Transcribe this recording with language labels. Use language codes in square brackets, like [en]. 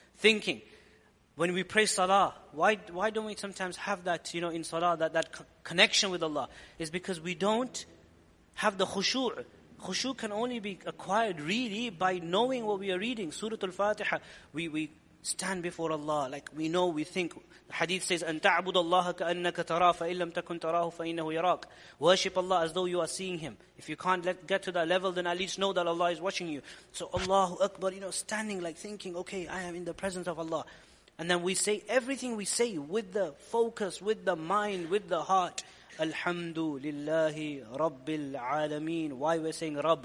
[en] Thinking, when we pray salah, why don't we sometimes have that, you know, in salah, that connection with Allah? It's because we don't have the khushu'. Khushu' can only be acquired really by knowing what we are reading. Surah Al-Fatiha, we stand before Allah, like we know, we think. The hadith says, [ar] أَن تَعْبُدَ اللَّهَ كَأَنَّكَ تَرَى فَإِن لَمْ تَكُنْ تَرَاهُ فَإِنَّهُ يَرَاكُ. [en] Worship Allah as though you are seeing Him. If you can't get to that level, then at least know that Allah is watching you. So Allahu Akbar, you know, standing like thinking, okay, I am in the presence of Allah. And then we say, everything we say with the focus, with the mind, with the heart, [ar] Alhamdulillahi Rabbil Alameen. [en] Why we're saying Rabb?